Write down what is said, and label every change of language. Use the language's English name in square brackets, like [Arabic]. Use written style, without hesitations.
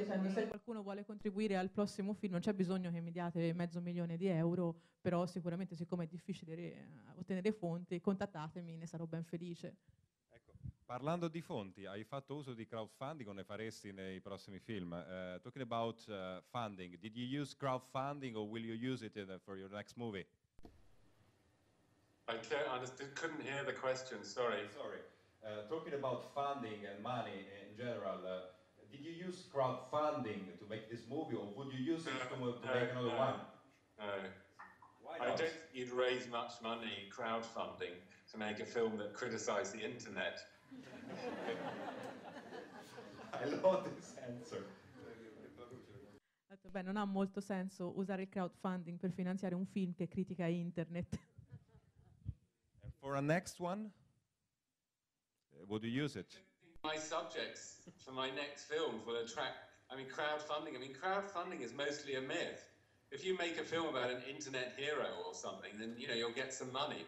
[Italian] Se qualcuno vuole contribuire al prossimo film, non c'è bisogno che mi diate €500,000, però sicuramente, siccome è difficile ottenere fonti, contattatemi, ne sarò ben felice. Ecco, parlando di fonti, hai fatto uso di crowdfunding o ne faresti nei prossimi film? [English] Talking about funding, did you use crowdfunding or will you use it for your next movie? I couldn't hear the question, sorry. Talking about funding and money in general, did you use crowdfunding to make this movie, or would you use it to make another one? No. I don't think you'd raise much money crowdfunding to make a film that criticized the internet. I love this answer. [Italian] Beh, non ha molto senso usare il crowdfunding per finanziare un film che critica internet. [English] And for a next one, would you use it? My subjects for my next film will attract, crowdfunding is mostly a myth. If you make a film about an internet hero or something, then, you'll get some money.